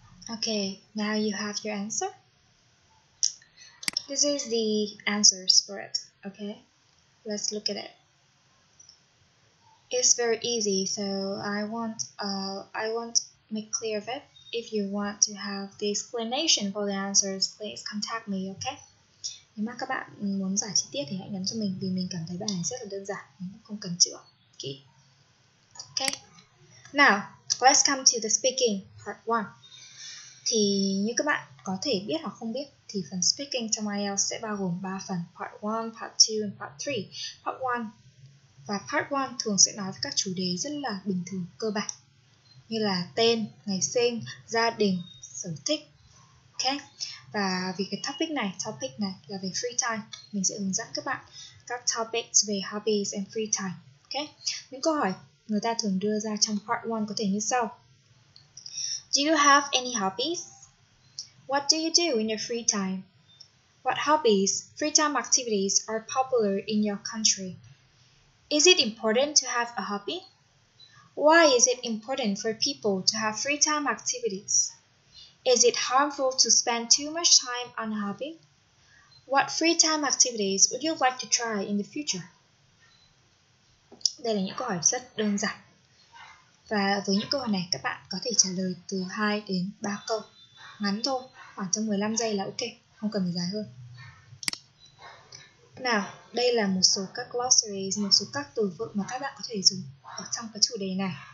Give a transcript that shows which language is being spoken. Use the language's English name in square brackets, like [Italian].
[English] Okay, now you have your answer. This is the answers for it, okay? Let's look at it. It's very easy, so I won't make clear of it. If you want to have the explanation for the answers, please contact me, okay? [Vietnamese] Nếu mà các bạn muốn giải chi tiết thì hãy nhắn cho mình vì mình cảm thấy bài này rất là đơn giản, không cần chữa. [English] Okay. Okay. Now, let's come to the speaking part 1. [Vietnamese] Thì như các bạn có thể biết hoặc không biết thì phần speaking trong IELTS sẽ bao gồm 3 phần: [English] part 1, part 2 and part 3. [Vietnamese] Part 1 và part 1 thường sẽ nói về các chủ đề rất là bình thường cơ bản như là tên, ngày sinh, gia đình, sở thích. [English] Okay. [Vietnamese] Và vì cái topic này là về free time, mình sẽ hướng dẫn các bạn các topics về [English] hobbies and free time. Okay. [Vietnamese] Những câu hỏi người ta thường đưa ra trong part 1 có thể như sau. [English] Do you have any hobbies? What do you do in your free time? What hobbies, free time activities are popular in your country? Is it important to have a hobby? Why is it important for people to have free time activities? Is it harmful to spend too much time on a hobby? What free time activities would you like to try in the future? [Vietnamese] Đây là những câu hỏi rất đơn giản. Và với những câu hỏi này, các bạn có thể trả lời từ 2 đến 3 câu. Ngắn thôi, khoảng trong 15 giây là ok, không cần phải dài hơn. Nào, đây là một số các glossaries, một số các từ vựng mà các bạn có thể dùng ở trong cái chủ đề này.